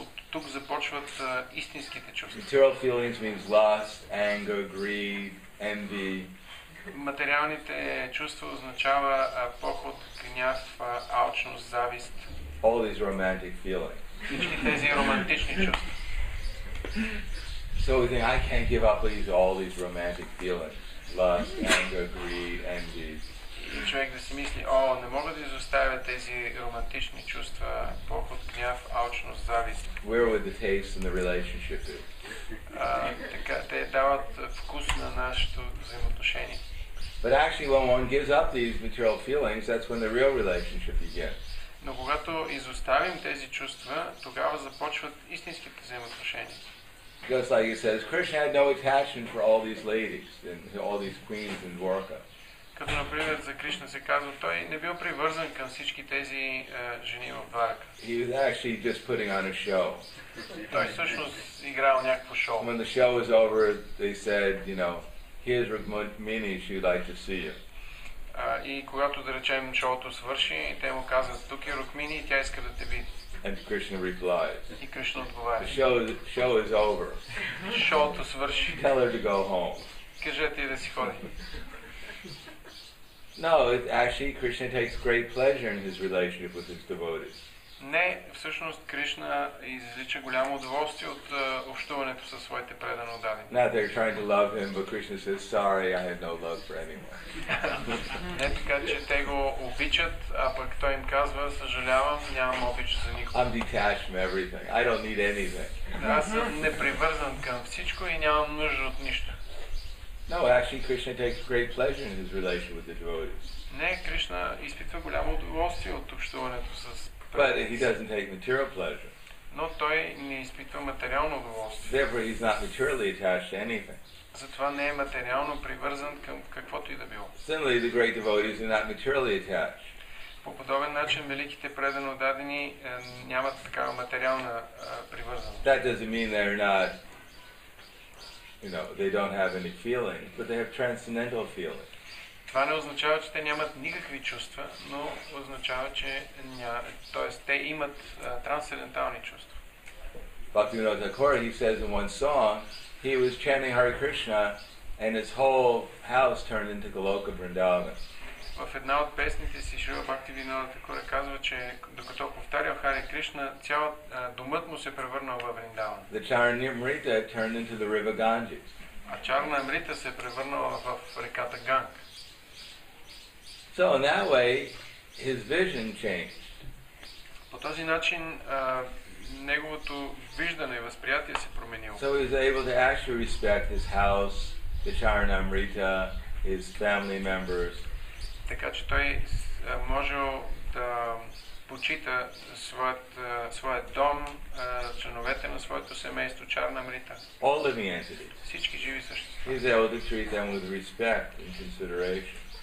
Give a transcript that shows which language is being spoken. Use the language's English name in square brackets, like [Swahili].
[Bulgarian] Тук започват истинските чувства. [English] Material feelings means lust, anger, greed, envy. [Bulgarian] Материалните чувства означава похот, гняв, алчност, завист. [English] All these romantic feelings. [Bulgarian] Всички тези романтични чувства. [English] So we think, I can't give up all these romantic feelings. Lust, anger, greed, envy. [Bulgarian] И човек да си мисли, о, не мога да изоставя тези романтични чувства, похот, гняв, алчност, завист. [English] Where would the taste and the relationship be? [Bulgarian] Така, те дават вкус на нашето взаимоотношение. [English] But actually, when one gives up these material feelings, that's when the real relationship begins. [Bulgarian] Но когато изоставим тези чувства, тогава започват истинските взаимоотношения. [English] Just like he says, Krishna had no attachment for all these ladies and all these queens in Dwarka. [Bulgarian] Като например за Кришна се казва, той не бил привързан към всички тези жени в Дварка. [English] He was actually just putting on a show. [Bulgarian] Той всъщност играл някакво шоу. [English] When the show was over, they said, you know, here's Rukmini, she'd like to see you. [Bulgarian] И когато да речем шоуто свърши, те му казват, тук е Рукмини, тя иска да те види. [English] And Krishna replies. [Bulgarian] И Кришна отговаря. [English] The show is over. [Bulgarian] Шоуто свърши. [English] Tell her to go home. [Bulgarian] Кажете ѝ да си ходи. [English] No, actually Krishna takes great pleasure in his relationship with his devotees. [Bulgarian] Не, всъщност Кришна излича голямо удоволствие от общуването със своите предано дадени. [English] Now they're trying to love him, but Krishna says, "Sorry, I have no love for anyone." [Bulgarian] Не, така че те го обичат, а пък той им казва, съжалявам, нямам обич за никого. [English] I'm detached from everything. I don't need anything. [Bulgarian] Аз съм непривързан към всичко и нямам нужда от нищо. [English] No, actually Krishna takes great pleasure in his relationship with the devotees. [Bulgarian] Не, Кришна изпитва голямо удоволствие от общуването с. [English] But he doesn't take material pleasure. [Bulgarian] Но той не изпитва материално удоволствие. [English] Therefore, he's not materially attached to anything. [Bulgarian] Затова не е материално привързан към каквото и да било. [English] Similarly, the great devotees are not materially attached. [Bulgarian] По подобен начин великите предано дадени нямат такава материална привързаност. [English] That doesn't mean they're not, you know, they don't have any feeling, but they have transcendental feeling. [Bulgarian] Това не означава, че те нямат никакви чувства, но означава, че тоест, те имат трансцендентални чувства. [English] Bhaktivinoda Thakura, he says in one song, he was chanting Hare Krishna and his whole house turned into Goloka Vrindavan. [Bulgarian] В една от песните си Шрила Бхактивинода Такура казва, че докато повтарял Хари Кришна, цял домът му се превърнал в Вриндаван. [English] The Charanamrita turned into the river Ganges. [Bulgarian] А Чарнамрита се превърнала в реката Ганг. [English] So in that way, his vision changed. [Bulgarian] По този начин неговото виждане и възприятие се променило. [English] So he was able to actually respect his house, the Charanamrita, his family members. [Bulgarian] Така че той можел да почита своят дом, членовете на своето семейство, Чарнамрита. [English] All living entities. [Bulgarian] Всички живи същества. [English] He was able to treat them with respect and consideration.